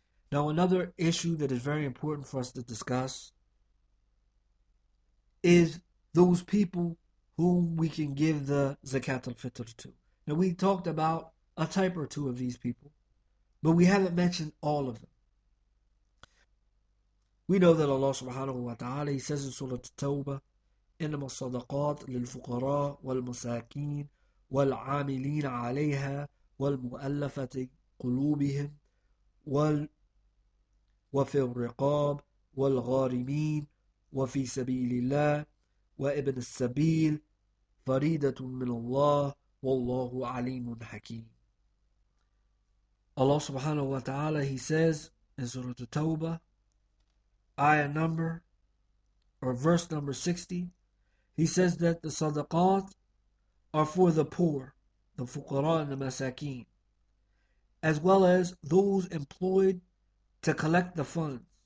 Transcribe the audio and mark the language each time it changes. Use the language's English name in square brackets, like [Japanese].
[English] Now, another issue that is very important for us to discuss is those people whom we can give the Zakat al-Fitr to. Now, we talked about a type or two of these people, but we haven't mentioned all of them. We know that Allah subhanahu wa ta'ala, he says in Surah At-Tawbah, [Arabic] إِنَّمَا الصَّدَقَاتُ لِلْفُقَرَاءِ وَالْمَسَاكِينِ وَالْعَامِلِينَ عَلَيْهَا وَالْمُؤَلَّفَةِ قُلُوبِهِمْ وَفِي الرِّقَابِ وَالْغَارِمِينَ وَفِي سَبِيلِ اللَّهِ وَابْنِ السَّبِيلِ فَرِيضَةٌ مِّنَ اللَّهِ وَاللَّهُ عَلِيمٌ حَكِيمٌ. [English] Allah subhanahu wa ta'ala, he says in Surah At-Tawbah, ayah number, or verse number 60, he says that the sadaqat are for the poor, the fuqara and the masakeen, as well as those employed to collect the funds,